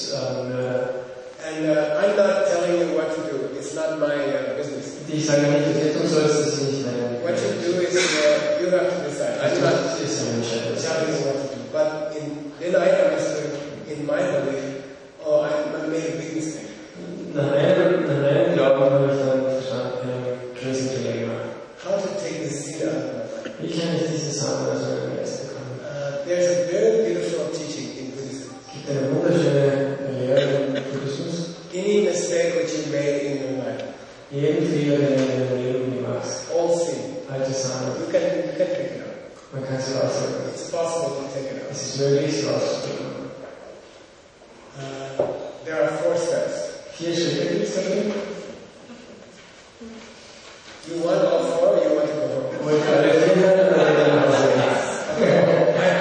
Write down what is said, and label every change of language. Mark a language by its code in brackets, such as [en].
[en] And I'm not telling you what to do. It's not my business. [de] Ich sage nicht, was du sollst, das ist nicht mein. [en] What you do is you have to decide. I'm not telling you what to do. But in then I understood in my belief, I made a big mistake. [de] Nach meinem Glauben habe ich dann verstanden, einen großen Fehler gemacht. [en] How to take the seed out of my life? [de] Wie kann ich diese Samen aus meinem Geist bekommen? [en] There's a very beautiful teaching in Buddhism. [de] Gibt eine wunderschöne Lehre im Buddhismus. [en] Any mistake which you made in your life. [de] Jeden Fehler, den du in deinem Leben machst. [en] All sin. [de] Alte Samen. [en] You can take it out. [de] Man kann sie ausdrücken. [en] It's possible to take it out. [de] Es ist möglich, sie auszudrücken. [en] There are four steps. [de] Vier Schritte gibt es dafür. [en] You want all four or you want to go home? [de] Ich wollte alle vier oder alle vier nach Hause gehen.